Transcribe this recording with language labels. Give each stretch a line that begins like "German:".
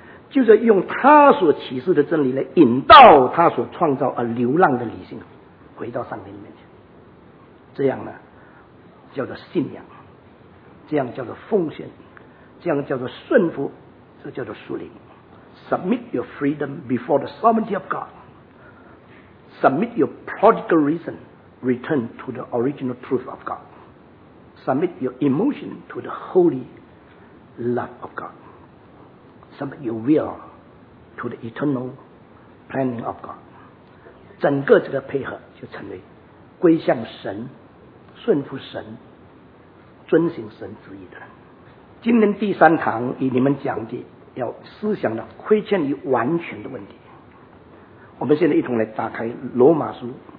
Chinese: 就是用他所启示的真理来引导他所创造而流浪的理性回到上帝里面去。这样呢叫做信仰，这样叫做奉献，这样叫做顺服，这叫做属灵。
English: Submit your freedom before the sovereignty of God. Submit your prodigal reason, return to the original truth of God. Submit your emotion to the holy love of God. Submit your will to the eternal planning of God.
Chinese: 整个这个配合就成为归向神、顺服神、遵行神旨意的人。今天第三堂与你们讲的要思想的亏欠与完全的问题，我们现在一同来打开罗马书。